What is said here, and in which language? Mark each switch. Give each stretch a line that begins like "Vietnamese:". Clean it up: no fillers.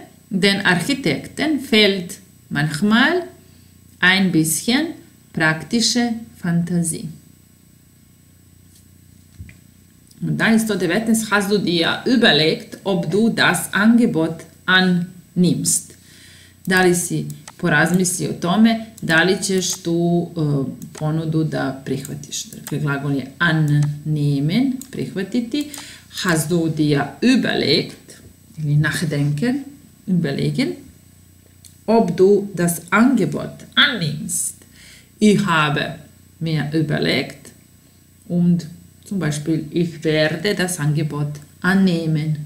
German: Den Architekten fehlt manchmal ein bisschen praktische Fantasie. Und dann ist 119. Hast du dir überlegt, ob du das Angebot annimmst?
Serbian: Da li si porazmisli o tome, da li ćeš tu ponudu da prihvatiš? Dakle, glagol je annehmen, prihvatiti.
German: Hast du dir überlegt, ili nachdenken, überlegen, ob du das Angebot annimmst. Ich habe mir überlegt und zum Beispiel ich werde das Angebot annehmen.